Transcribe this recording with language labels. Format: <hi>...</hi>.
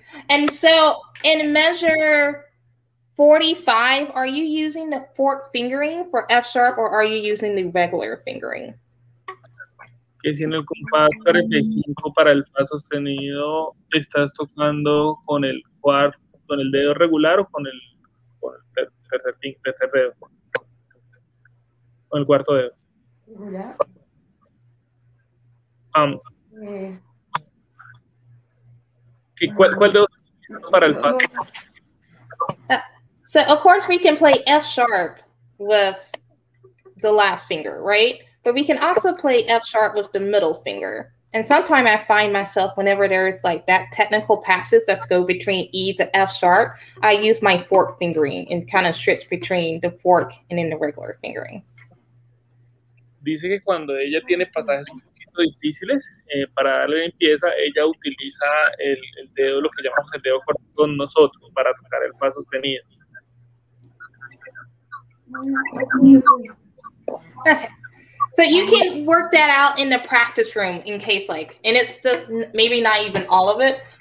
<en>And so in measure 45, are you using the fourth fingering for F sharp or are you using the regular fingering?</en> <es>Que si en el compás 45 para el fa sostenido, ¿estás tocando con el cuarto, con el dedo regular o con el tercer dedo? Con el cuarto dedo. Regular. ¿Cuál dedo para el fa?</es> <en>So, of course, we can play F sharp with the last finger, right? But we can also play F sharp with the middle finger. And sometimes I find myself, whenever there's like that technical passage that's go between E to F sharp, I use my fork fingering and kind of switch between the fork and then the regular fingering.</en> <es>Dice que cuando ella tiene pasajes difíciles, para darle limpieza ella utiliza el dedo, lo que llamamos el dedo corto con nosotros para tocar el fa sostenido.</es> <en>Okay. So you can work that out in the practice room in case like, and it's just maybe not even all of it.</en>